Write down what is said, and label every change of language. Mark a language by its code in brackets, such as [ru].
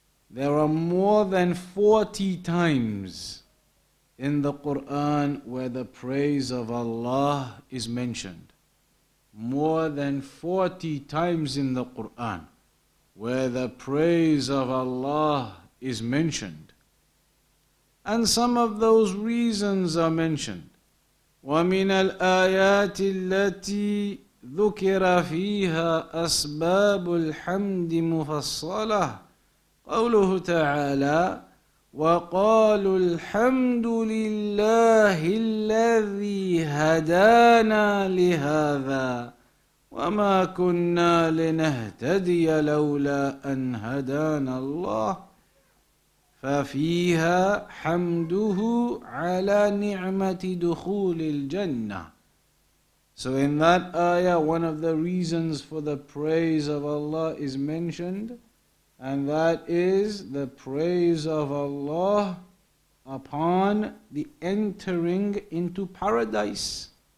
[en] There are more than 40 times in the Quran where the praise of Allah is mentioned. More than 40 times in the Quran where the praise of Allah is mentioned. And some of those reasons are mentioned. [ar] وَمِنَ الْآيَاتِ الَّتِي ذُكِرَ فِيهَا أَسْبَابُ الْحَمْدِ مُفَصَّلَةً قوله تعالى وقالوا الحمد لله الذي هدانا لهذا وما كنا لنهتدي لولا أن هدانا الله ففيها حمده على نعمة دخول الجنة. [en] So in that ayah, one of the reasons for the praise of Allah is mentioned. And that is the praise of Allah upon the entering into paradise.